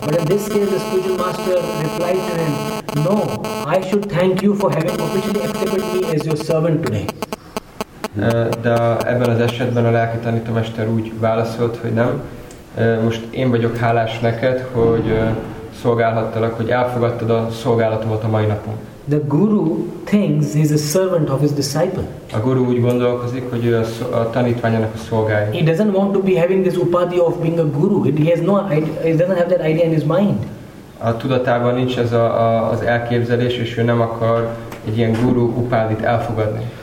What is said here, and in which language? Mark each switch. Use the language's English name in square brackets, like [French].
[English] this case, the spiritual master replied to him, no, I should thank you for having officially accepted me as your servant today. [Hungarian] De ebben az esetben a lelki tanítomester úgy válaszolt, hogy nem. Most én vagyok hálás neked, hogy szolgálhattalak, hogy elfogadtad a szolgálatomat a mai napon. [English] The guru thinks he is a servant of his disciple. [Hungarian] A guru úgy gondolkozik, hogy ő a tanítványának a szolgája. [English] He doesn't want to be having this upadhi of being a guru. He doesn't have that idea in his mind. [Hungarian] A tudatában nincs ez az elképzelés, és ő nem akar egy ilyen guru upádit elfogadni.